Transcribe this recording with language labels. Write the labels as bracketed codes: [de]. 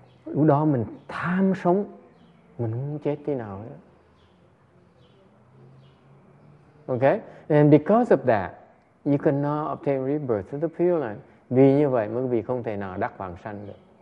[vi] Lúc đó mình tham sống, mình muốn chết thế nào đó. [en] Okay, and because of that, you cannot obtain rebirth to the Pure Land. [vi] Vì như vậy mới quý vị không thể nào đắc vãng sanh được.